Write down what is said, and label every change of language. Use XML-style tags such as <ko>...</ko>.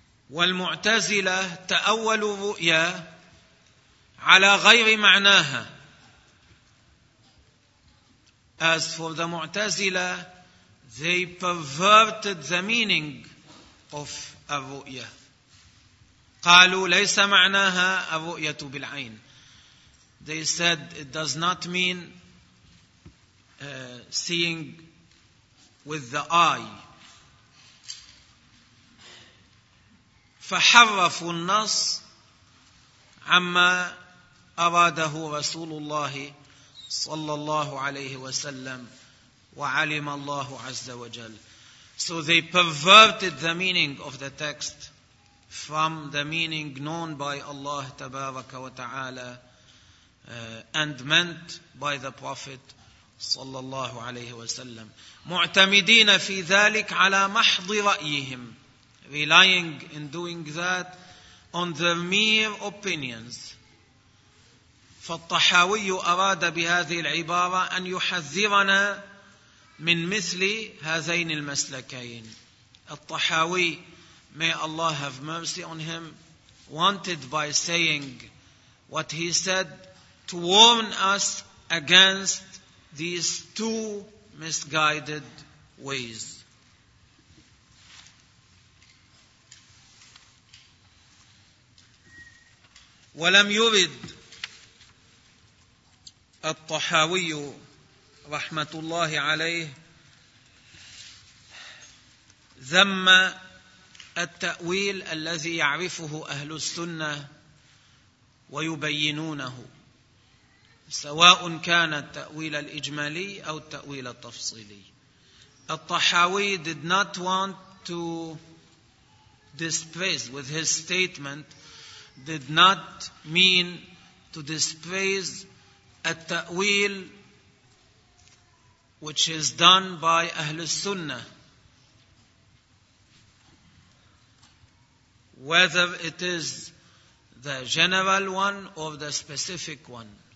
<ar>والمعتزلة تأولوا الرؤيا على غير معناها.</ar> <en>As for the معتزلة, they perverted the meaning of الرؤيا.</en> <ar>قالوا ليس معناها الرؤية بالعين.</ar> <en>They said it does not mean seeing with the eye.</en> <ar>فحرفوا النص عما أراده رسول الله صلى الله عليه وسلم وعلم الله عز وجل.</ar> <en>So they perverted the meaning of the text from the meaning known by Allah</en> <ar>تبارك وتعالى</ar> <en>and meant by the Prophet</en> <ar>صلى الله عليه وسلم. معتمدين في ذلك على محض رأيهم.</ar> <en>Relying in doing that on their mere opinions.</en> <ar>فالطحاوي أراد بهذه العبارة أن يحذرنا من مثل هذين المسلكين.</ar> <en>الطحاوي, may Allah have mercy on him, wanted by saying what he said to warn us against these two misguided ways.</en> <ar>ولم يرد الطحاوي رحمة الله عليه ذم التأويل الذي يعرفه أهل السنة ويبينونه، سواء كان التأويل الإجمالي أو التأويل التفصيلي.</ar> <en>الطحاوي did not want to displace with his statement, did not mean to displace التأويل which is done by أهل السنة, whether it is the general one or the specific one.</en>